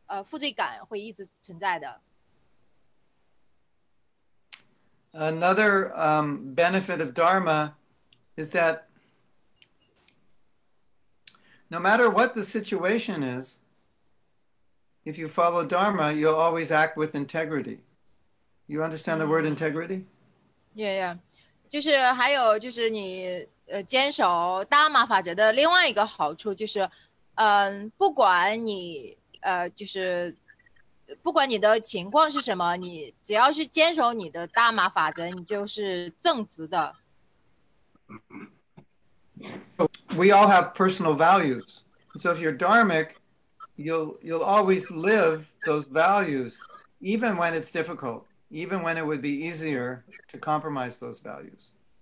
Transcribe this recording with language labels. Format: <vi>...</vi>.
<zh>就是还有相反的一个情况，就是你知道你应该去做某事，但是呢，你却一直在推，却没有去做。那么呢，其实你就一直带着这样的一个负担，或者是负罪感。然后无论你到哪，无论做任何事情，始终有这么一种负罪感。然后呢，你可能想着，哦，我这个事情还没有去做呢，然后呢，那我就继续推到明天嘛。等到明天了，你还是没有做，那么你的这种负罪感会一直存在的。</zh> <en>Another benefit of Dharma is that no matter what the situation is, if you follow Dharma, you'll always act with integrity. You understand the word integrity? Yeah, yeah.</en> <zh>就是还有就是你坚守大麻法则的另外一个好处就是，不管你就是。不管你的情况是什么，你只要是坚守你的大麻法则，你就是正直的。</zh> <en>We all have personal values. So if you're dharmic, you'll always live those values, even when it's difficult, even when it would be easier to compromise those values.</en>